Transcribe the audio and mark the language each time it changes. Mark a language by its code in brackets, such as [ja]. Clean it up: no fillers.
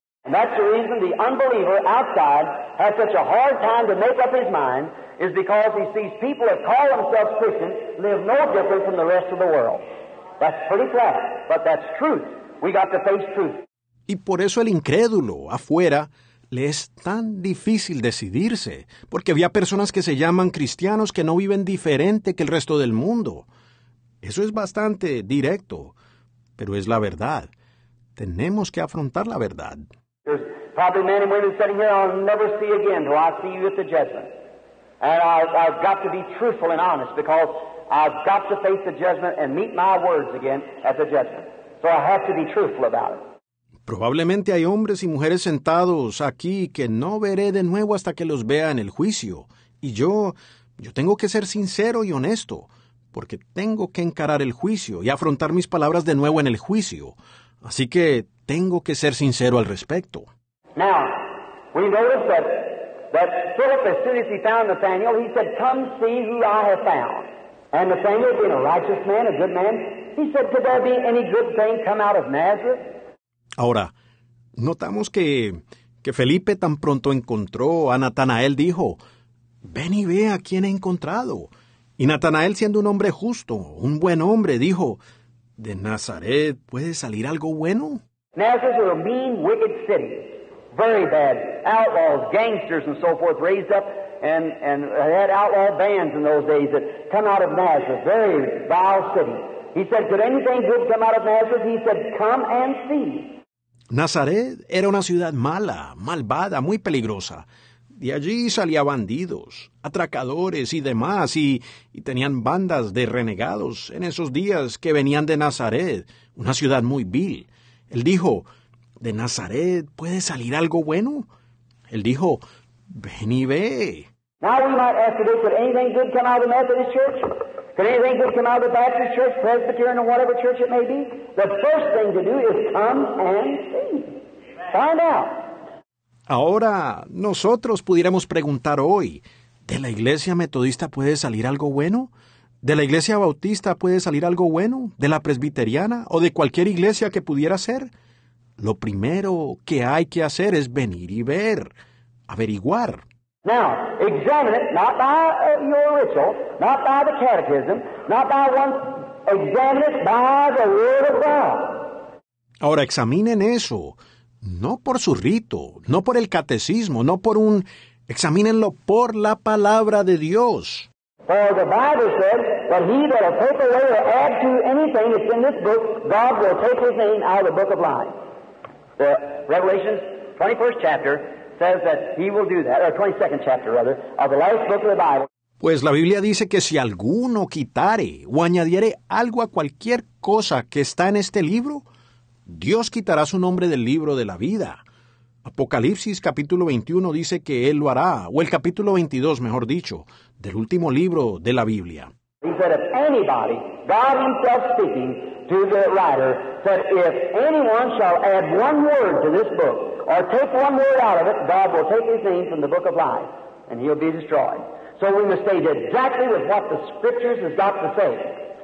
[en] And that's the reason the unbeliever outside has such a hard time to make up his mind is because he sees people that call themselves Christians live no different from the rest of the world. That's pretty flat, but that's truth. We got to face truth. [es] Y por eso el incrédulo afuera le es tan difícil decidirse, porque había personas que se llaman cristianos que no viven diferente que el resto del mundo. Eso es bastante directo, pero es la verdad. Tenemos que afrontar la verdad. [en] There's probably men and women sitting here I'll never see again till I see you at the judgment. And I've got to be truthful and honest because I've got to face the judgment and meet my words again at the judgment. So I have to be truthful about it. [es] Probablemente hay hombres y mujeres sentados aquí que no veré de nuevo hasta que los vea en el juicio. Y yo tengo que ser sincero y honesto, porque tengo que encarar el juicio y afrontar mis palabras de nuevo en el juicio. Así que tengo que ser sincero al respecto. [en] Now, we notice that Philip, as soon as he found Nathanael, he said, come see who I have found. And Nathanael, being a righteous man, a good man, he said, could there be any good thing come out of Nazareth? [es] Ahora, notamos que Felipe tan pronto encontró a Natanael, dijo, ven y ve a quién he encontrado. Y Natanael, siendo un hombre justo, un buen hombre, dijo, ¿de Nazaret puede salir algo bueno? [en] Nazareth was a mean, wicked city, very bad. Outlaws, gangsters, and so forth, raised up and had outlaw bands in those days that come out of Nazareth, very vile city. He said, could anything good come out of Nazareth? He said, come and see. [es] Nazaret era una ciudad mala, malvada, muy peligrosa. De allí salían bandidos, atracadores y demás, y tenían bandas de renegados en esos días que venían de Nazaret, una ciudad muy vil. Él dijo, ¿de Nazaret puede salir algo bueno? Él dijo, ven y ve. [en] Now we might ask today, could anything good come out of the Methodist Church? Could anything good come out of the Baptist Church, Presbyterian, or whatever church it may be? The first thing to do is come and see. Find out. [es] Ahora, nosotros pudiéramos preguntar hoy, ¿de la Iglesia Metodista puede salir algo bueno? ¿De la Iglesia Bautista puede salir algo bueno? ¿De la Presbiteriana o de cualquier iglesia que pudiera ser? Lo primero que hay que hacer es venir y ver, averiguar. [en] Now, examine it, not by your ritual, not by the catechism, not by one, examine it by the Word of God. [es] Ahora, examinen eso. No por su rito, no por el catecismo, no por un... Examínenlo por la palabra de Dios. [en] For the Bible said that he that will take away or add to anything that's in this book, God will take his name out of the book of life. The Revelation 21st chapter says that he will do that, or 22nd chapter rather, of the last book of the Bible. [es] Pues la Biblia dice que si alguno quitare o añadiere algo a cualquier cosa que está en este libro... Dios quitará su nombre del libro de la vida. Apocalipsis capítulo 21 dice que Él lo hará, o el capítulo 22, mejor dicho, del último libro de la Biblia. [en] He said, if anybody, God himself speaking to the writer, said, if anyone shall add one word to this book, or take one word out of it, God will take his name from the book of life, and he'll be destroyed. So we must state exactly with what the scriptures has got to say.